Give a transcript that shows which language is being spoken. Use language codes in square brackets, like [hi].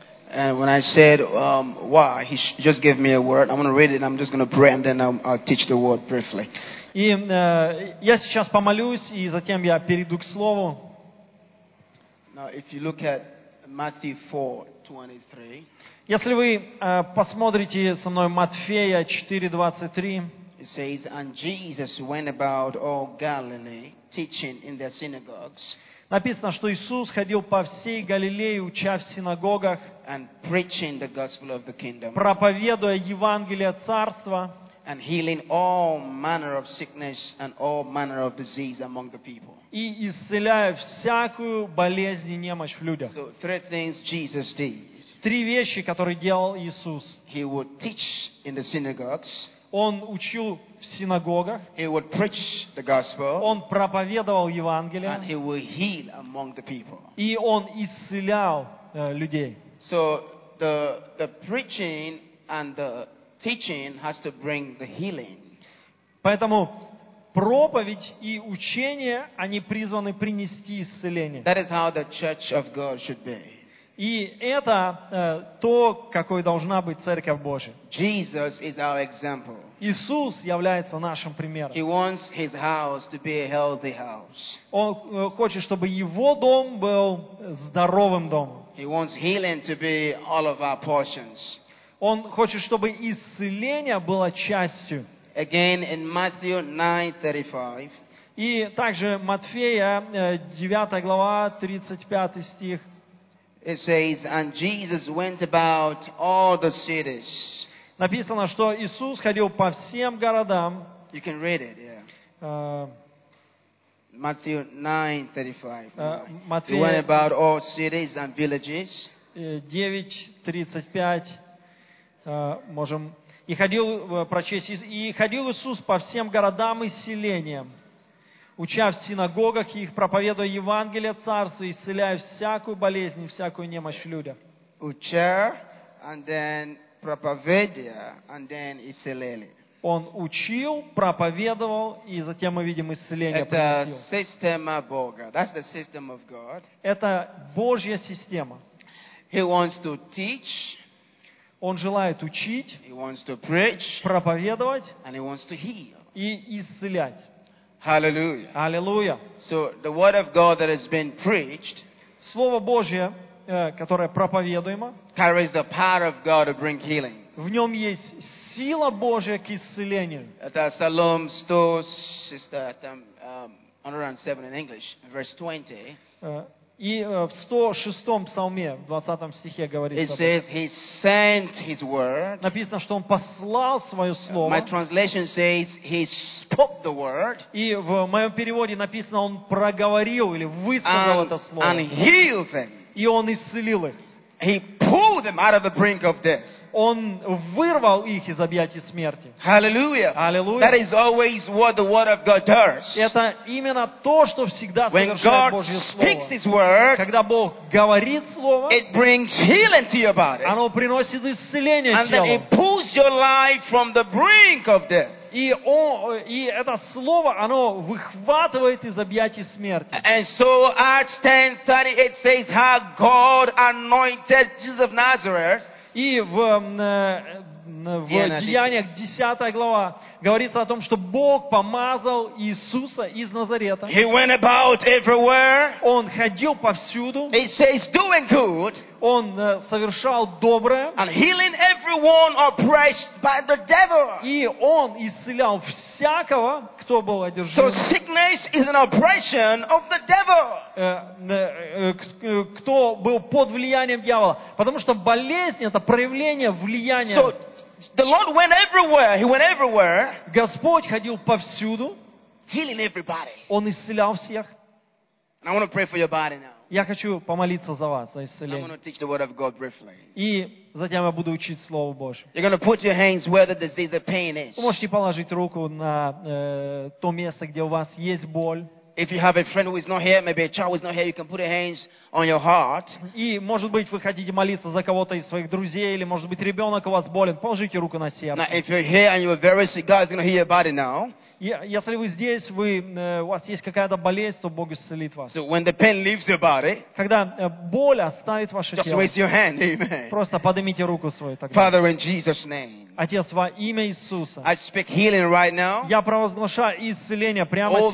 [en] And when I said, why, he just gave me a word. I'm going to read it, and I'm just going to pray, and then I'll teach the word briefly. [ru] И я сейчас помолюсь, и затем я перейду к слову. [en] Now, if you look at Matthew 4:23, [ru] если вы посмотрите со мной Матфея 4:23, [en] it says, and Jesus went about all Galilee, teaching in their synagogues. [ru] Написано, что Иисус ходил по всей Галилее, уча в синагогах, [en] and preaching the gospel of the kingdom, [ru] проповедуя Евангелие Царства, [en] and healing all manner of sickness and all manner of disease among the people. [ru] И исцеляя всякую болезнь и немощь в людях. [en] So three things Jesus did. [ru] Три вещи, которые делал Иисус. [en] He would teach in the synagogues. [ru] Он учил в синагогах. [en] He would preach the gospel. [ru] Он проповедовал Евангелие. [en] And he would heal among the people. [ru] И он исцелял людей. [en] So the preaching and the teaching has to bring the healing. [ru] Поэтому проповедь и учение, они призваны принести исцеление. [en] That is how the church of God should be. [ru] И это то, какой должна быть Церковь Божья. [en] Jesus is our example. [ru] Иисус является нашим примером. [en] He wants his house to be a healthy house. [ru] Он хочет, чтобы его дом был здоровым домом. [en] He wants healing to be all of our portions. [ru] Он хочет, чтобы исцеление было частью. [en] Again, in Matthew 9:35. [ru] И также Матфея 9 глава, 35 стих. [en] It says, and Jesus went about all the cities. [ru] Написано, что Иисус ходил по всем городам. [en] You can read it, yeah. Matthew 9:35. He went about all cities and villages. [ru] 9:35. Можем. И ходил Иисус по всем городам и селениям, уча в синагогах и их, проповедуя Евангелие Царства, исцеляя всякую болезнь и всякую немощь в людях. Уча, [en] and then [ru] проповедуя, [en] and then [ru] исцеляли. Он учил, проповедовал, и затем мы видим исцеление. Это система Бога. [en] That's the system of God. [ru] Это Божья система. [en] He wants to teach. [ru] Он желает учить. [en] He wants to preach. [ru] Проповедовать. [en] And he wants to heal. [ru] И исцелять. [en] Hallelujah. [ru] Hallelujah. [en] So the word of God that has been preached, [ru] слово Божье, которое проповедуемо, [en] carries the power of God to bring healing. [ru] В нём есть сила Божья к исцелению. Это [en] Psalm 100, sister, 107 in English, verse 20. [ru] И в 106-м псалме, в 20-м стихе говорится. [en] It says he sent his word. [ru] Написано, что он послал свое слово. [en] My translation says he spoke the word. [ru] И в моем переводе написано, он проговорил или высказал это слово. [en] And healed them. [ru] И он исцелил их. [en] He pulled them out of the brink of death. [ru] Он вырвал их из объятий смерти. [en] Hallelujah. [ru] Hallelujah. [en] That is always what the word of God does. [ru] Это именно то, что всегда совершает Божье слово. [en] When God speaks his word, [ru] когда Бог говорит слово, [en] it brings healing to your body. [ru] Оно приносит исцеление телу. [en] And then it pulls your life from the brink of death. [ru] И это слово, оно выхватывает из объятий смерти. [en] And so Acts 10:38 says how God anointed Jesus of Nazareth. [ru] И в в Деяниях, 10 глава, говорится о том, что Бог помазал Иисуса из Назарета. [en] He went about everywhere. [ru] Он ходил повсюду. [en] He says, doing good. [ru] Он совершал доброе. [en] And healing everyone oppressed by the devil. [ru] И он исцелял всякого, кто был одержим. [en] So sickness is an oppression of the devil. [ru] Кто был под влиянием дьявола? Потому что болезнь — это проявление влияния. [en] So the Lord went everywhere. He went everywhere. [ru] Господь ходил повсюду. [en] Healing everybody. [ru] Он исцелял всех. [en] And I want to pray for your body now. [ru] Я хочу помолиться за вас, за исцеление. И затем я буду учить Слово Божье. Вы можете положить руку на то место, где у вас есть боль. [en] If you have a friend who is not here, maybe a child who is not here, you can put your hands on your heart. [ru] И может быть вы хотите молиться за кого-то из своих друзей, или может быть ребенок у вас болен, положите руку на сердце. [en] Now, if you're here and you're very sick, God is going to heal your body now. [ru] Если вы здесь, вы у вас есть какая-то болезнь, то Бог исцелит вас. [en] So when the pain leaves your body, [ru] когда боль оставит ваше тело, [en] just raise your hand, amen. [ru] Просто поднимите руку свою тогда. [en] Father, in Jesus' name. [ru] Отец, во имя Иисуса. [en] I speak healing right now. [ru] Я провозглашаю исцеление прямо сейчас.